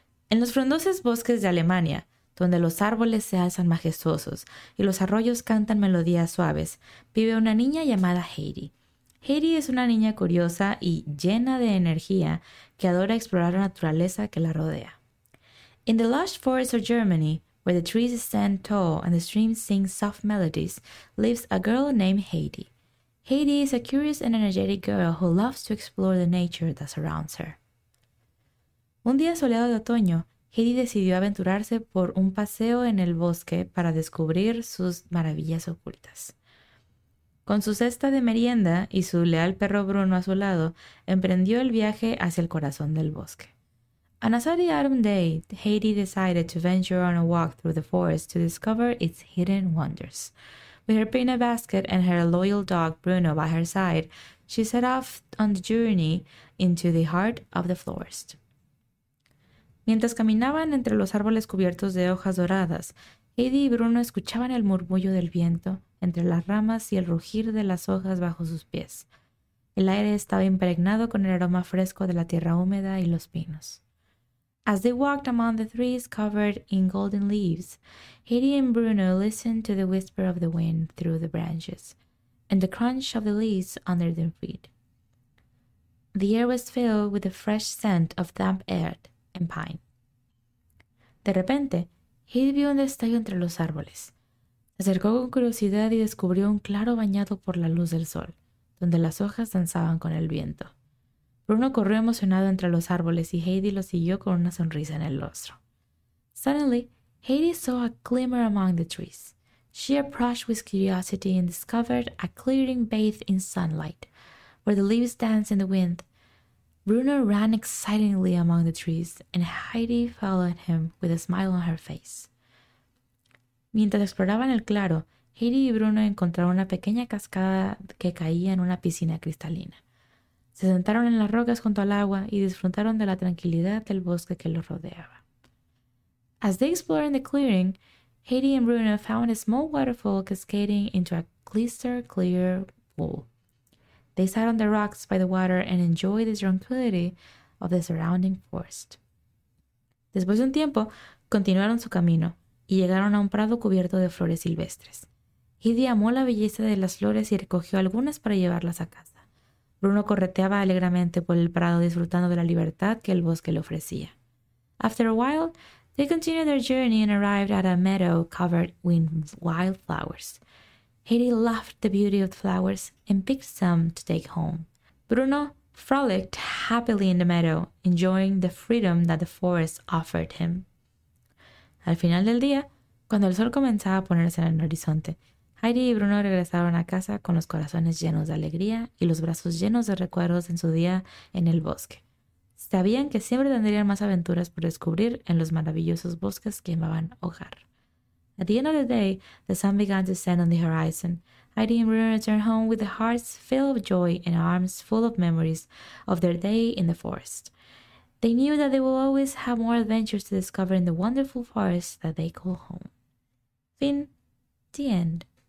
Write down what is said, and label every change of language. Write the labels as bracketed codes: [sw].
[es] En los frondosos bosques de Alemania, donde los árboles se alzan majestuosos y los arroyos cantan melodías suaves, vive una niña llamada Heidi. Heidi es una niña curiosa y llena de energía que adora explorar la naturaleza que la rodea. [en] In the lush forests of Germany, where the trees stand tall and the streams sing soft melodies, lives a girl named Heidi. Heidi is a curious and energetic girl who loves to explore the nature that surrounds her. [es] Un día soleado de otoño, Heidi decidió aventurarse por un paseo en el bosque para descubrir sus maravillas ocultas. Con su cesta de merienda y su leal perro Bruno a su lado, emprendió el viaje hacia el corazón del bosque. [en] On a sunny autumn day, Heidi decided to venture on a walk through the forest to discover its hidden wonders. With her peanut basket and her loyal dog Bruno by her side, she set off on the journey into the heart of the forest. [es] Mientras caminaban entre los árboles cubiertos de hojas doradas, Heidi y Bruno escuchaban el murmullo del viento entre las ramas y el rugir de las hojas bajo sus pies. El aire estaba impregnado con el aroma fresco de la tierra húmeda y los pinos. [en] As they walked among the trees covered in golden leaves, Heidi and Bruno listened to the whisper of the wind through the branches and the crunch of the leaves under their feet. The air was filled with the fresh scent of damp earth and pine. [es] De repente, Heidi vio un destello entre los árboles. Se acercó con curiosidad y descubrió un claro bañado por la luz del sol, donde las hojas danzaban con el viento. Bruno corrió emocionado entre los árboles y Heidi lo siguió con una sonrisa en el rostro. [en] Suddenly, Heidi saw a glimmer among the trees. She approached with curiosity and discovered a clearing bathed in sunlight, where the leaves danced in the wind. Bruno ran excitedly among the trees, and Heidi followed him with a smile on her face. [es] Mientras exploraban el claro, Heidi y Bruno encontraron una pequeña cascada que caía en una piscina cristalina. Se sentaron en las rocas junto al agua y disfrutaron de la tranquilidad del bosque que los rodeaba. [en] As they explored in the clearing, Heidi and Bruno found a small waterfall cascading into a crystal clear pool. They sat on the rocks by the water and enjoyed the tranquility of the surrounding forest. [es] Después de un tiempo, continuaron su camino y llegaron a un prado cubierto de flores silvestres. Heidi amó la belleza de las flores y recogió algunas para llevarlas a casa. Bruno correteaba alegremente por el prado disfrutando de la libertad que el bosque le ofrecía. [en] After a while, they continued their journey and arrived at a meadow covered with wild flowers. Heidi loved the beauty of the flowers and picked some to take home. Bruno frolicked happily in the meadow, enjoying the freedom that the forest offered him. [es] Al final del día, cuando el sol comenzaba a ponerse en el horizonte, Heidi y Bruno regresaron a casa con los corazones llenos de alegría y los brazos llenos de recuerdos en su día en el bosque. Sabían que siempre tendrían más aventuras por descubrir en los maravillosos bosques que llamaban hogar. [en] At the end of the day, the sun began to set on the horizon. Heidi and Bruno returned home with hearts filled of joy and arms full of memories of their day in the forest. They knew that they will always have more adventures to discover in the wonderful forest that they call home. Fin. The end.